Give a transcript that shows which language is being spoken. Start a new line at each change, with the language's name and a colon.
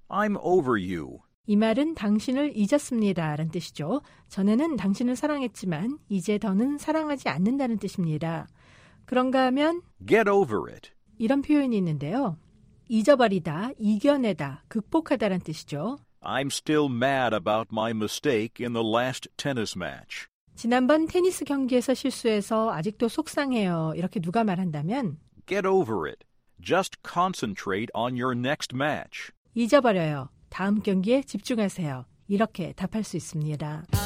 English: I'm over you.
Korean: 이 말은 당신을 잊었습니다 라는 뜻이죠. 전에는 당신을 사랑했지만 이제 더는 사랑하지 않는다는 뜻입니다. 그런가 하면
English: Get over it.
Korean: 이런 표현이 있는데요. 잊어버리다, 이겨내다, 극복하다라는 뜻이죠.
English: I'm still mad about my mistake in the last tennis match.
Korean: 지난번 테니스 경기에서 실수해서 아직도 속상해요. 이렇게 누가 말한다면
English: Get over it. Just concentrate on your next match.
Korean: 잊어버려요. 다음 경기에 집중하세요. 이렇게 답할 수 있습니다.